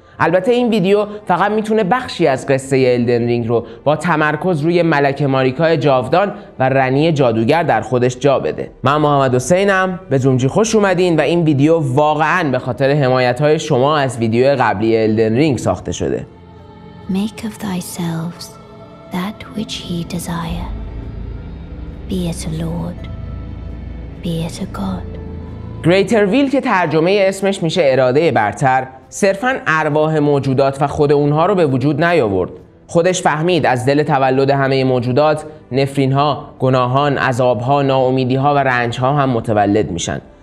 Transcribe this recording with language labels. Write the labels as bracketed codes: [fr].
[fa] البته این ویدیو فقط میتونه بخشی از قصه الدن رینگ رو با تمرکز روی ملکه ماریکا جاودان و رنی جادوگر در خودش جا بده. من محمد حسینم، به زومجی خوش اومدین و این ویدیو واقعاً به خاطر حمایت‌های شما از ویدیو قبلی الدن رینگ ساخته شده. [en] Make of thyselves that which he desire. Be it a lord. Be it a god. [fa] Greater Will که ترجمه اسمش میشه اراده برتر، صرفاً ارواح موجودات و خود اونها رو به وجود نیاورد. خودش فهمید از دل تولد همه موجودات، نفرین‌ها، گناهان، عذاب‌ها، ناامیدی‌ها و رنج‌ها هم متولد میشن.